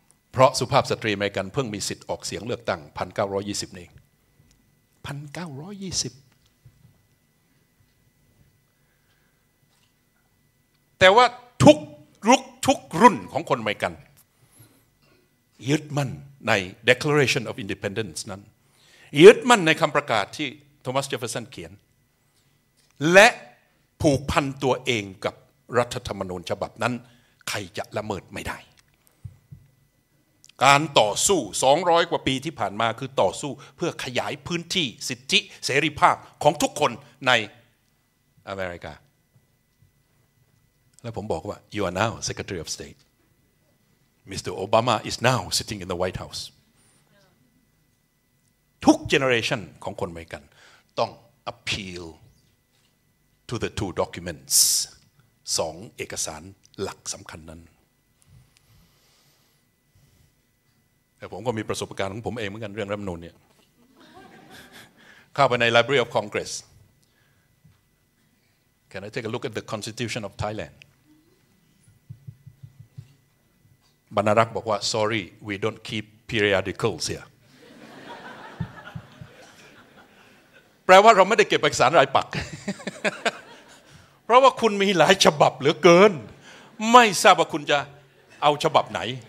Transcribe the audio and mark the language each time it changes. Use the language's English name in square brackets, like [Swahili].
[Thai] เพราะสุภาพสตรีอเมริกันเพิ่งมีสิทธิ์ออกเสียงเลือกตั้ง1920เอง1920แต่ว่าทุกรุกทุกรุ่นของคนอเมริกันยึดมั่นใน Declaration of Independence นั้นยึดมั่นในคำประกาศที่โทมัสเจฟเฟอร์สันเขียนและผูกพันตัวเองกับรัฐธรรมนูญฉบับนั้นใครจะละเมิดไม่ได้ การต่อสู้200กว่าปีที่ผ่านมาคือต่อสู้เพื่อขยายพื้นที่สิทธิเสรีภาพของทุกคนในอเมริกาและผมบอกว่า [English] You are now Secretary of StateMr. Obama is now sitting in the White House. [Thai] ทุก [English] generation [Thai] ของคนอเมริกันต้อง [English] appeal to the two documents. [Thai] สองเอกสารหลักสำคัญนั้นแต่ผมก็มีประสบการณ์ของผมเองเหมือนกันเรื่องรัฐธรรมนูญเนี่ยเข้าไปใน Library of Congress. [English] Can I take a look at the Constitution of Thailand? [Thai] บรรณารักษ์บอกว่า [English] sorry we don't keep periodicals here [Thai] แปลว่าเราไม่ได้เก็บเอกสารรายปักเพราะว่าคุณมีหลายฉบับเหลือเกินไม่ทราบว่าคุณจะเอาฉบับไหน